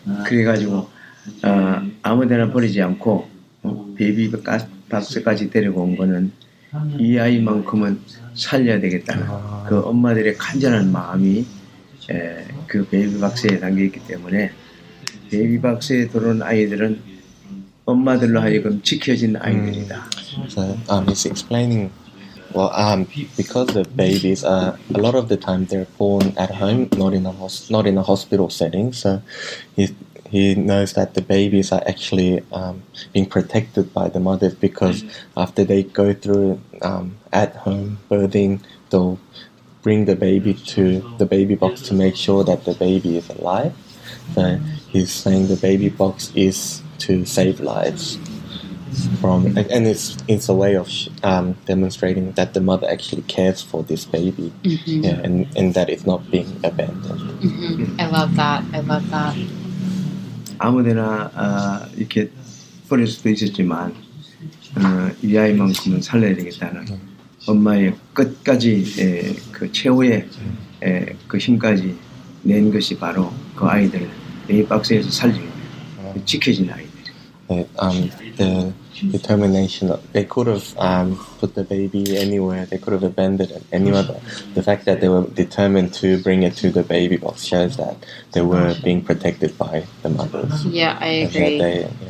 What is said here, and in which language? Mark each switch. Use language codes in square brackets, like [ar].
[ko] 그래가지고 어, 아무데나 버리지 않고 어, 베이비 박스까지 데리고 온 거는 이 아이만큼은 살려야 되겠다는 아. 그 엄마들의 간절한 마음이 예, 그 베이비 박스에 담겨있기 때문에 베이비 박스에 들어온 아이들은 엄마들로 하여금 지켜진 아이들이다. [en] So, he's explaining, well, because the babies are, a lot of the time they're born at home, not in a hospital setting, so he knows that the babies are actually being protected by the mothers because after they go through at home birthing, they'll bring the baby to the baby box to make sure that the baby is alive. So he's saying the baby box is to save lives. From and it's a way of demonstrating that the mother actually cares for this baby, mm-hmm. yeah, and that it's not being abandoned. Mm-hmm. I love that. [ko] 아무데나 이렇게 버릴 수도 있었지만 이 아이만큼은 살려야 되겠다는 엄마의 끝까지 그 최후의 그 힘까지 낸 것이 바로 그 아이들 이 박스에서 살리는 지켜진 아이들. [en] The determination, they could have put the baby anywhere, they could have abandoned it anywhere, but the fact that they were determined to bring it to the baby box shows that they were being protected by the mothers. Yeah, I agree.